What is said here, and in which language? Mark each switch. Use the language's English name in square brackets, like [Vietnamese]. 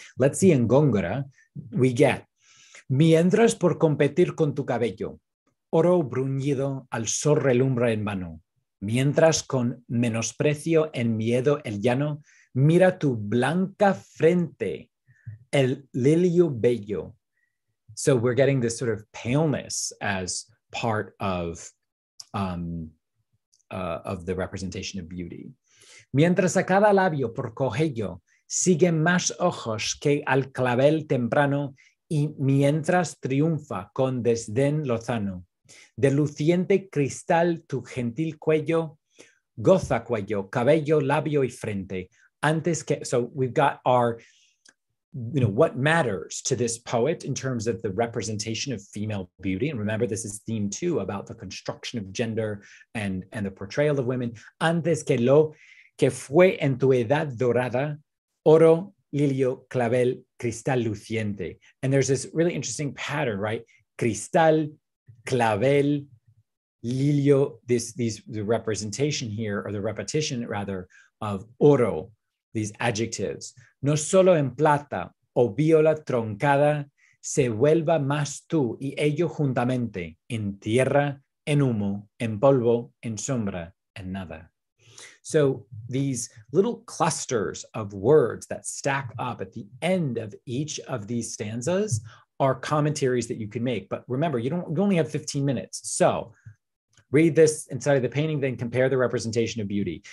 [English] Let's see in Góngora, we get, [Spanish] mientras por competir con tu cabello, oro bruñido al sol relumbra en vano, mientras con menosprecio en miedo el llano, mira tu blanca frente, el lilio bello. [English] So we're getting this sort of paleness as part of the representation of beauty. [Spanish] Mientras a cada labio por cogello siguen más ojos que al clavel temprano y mientras triunfa con desdén lozano, de luciente cristal tu gentil cuello, goza cuello, cabello, labio y frente, antes que... [English] So we've got our, you know, what matters to this poet in terms of the representation of female beauty. And remember, this is theme two about the construction of gender and the portrayal of women. [Spanish] Antes que lo que fue en tu edad dorada, oro, lilio, clavel, cristal luciente. [English] And there's this really interesting pattern, right? Cristal, clavel, lilio, the representation here, or the repetition rather, of oro, these adjectives. [Spanish] No solo en plata o viola troncada se vuelva más tú y ello juntamente en tierra, en humo, en polvo, en sombra, en nada. [English] So these little clusters of words that stack up at the end of each of these stanzas are commentaries that you can make. But remember, you only have 15 minutes. So read this inside of the painting, then compare the representation of beauty.